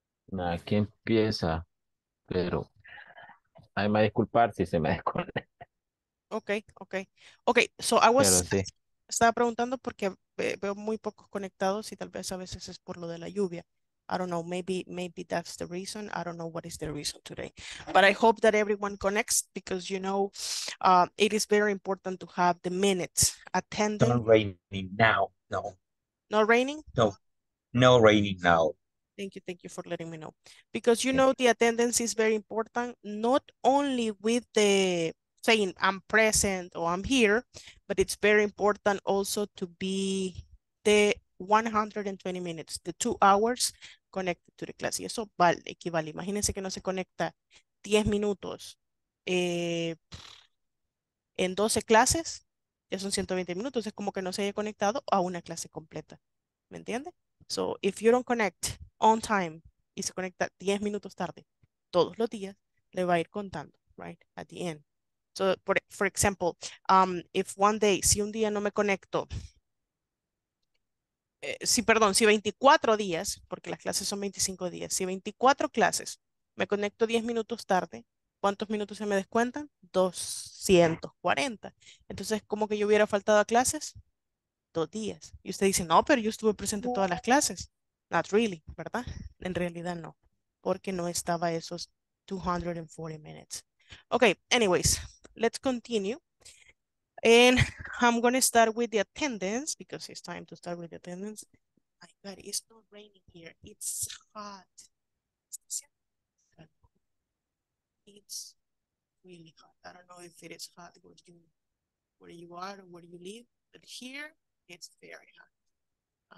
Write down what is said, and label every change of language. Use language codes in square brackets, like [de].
[es] Nah, aquí empieza, pero hay más disculpar si se me desconecta. [en] Okay, okay. Okay, so I was [es] sí. Estaba preguntando porque veo muy pocos conectados y tal vez a veces es por lo de la lluvia. [en] I don't know, maybe that's the reason. I don't know what is the reason today. But I hope that everyone connects because, you know, it is very important to have the minutes attending. Not raining now, no. Not raining? No, no raining now. Thank you for letting me know. Because, you know, the attendance is very important, not only with the saying I'm present or I'm here, but it's very important also to be the 120 minutes, the 2 hours connected to the class. [es] Y eso vale, equivale. Imagínense que no se conecta 10 minutos en 12 clases, ya son 120 minutos. Es como que no se haya conectado a una clase completa. ¿Me entiende? [en] So, if you don't connect on time [es] y se conecta 10 minutos tarde todos los días, le va a ir contando, [en] right? At the end. So, for example, if one day, [es] si un día no me conecto, si 24 días, porque las clases son 25 días, si 24 clases me conecto 10 minutos tarde, ¿cuántos minutos se me descuentan? 240. Entonces, ¿cómo que yo hubiera faltado a clases? 2 días. Y usted dice, no, pero yo estuve presente en todas las clases. [en] Not really, [es] ¿verdad? En realidad no, porque no estaba esos 240 minutes. [en] Okay, anyways, let's continue. And I'm gonna start with the attendance because it's time to start with the attendance. My God, it's not raining here. It's hot. It's really hot. I don't know if it is hot where you are or where you live, but here it's very hot.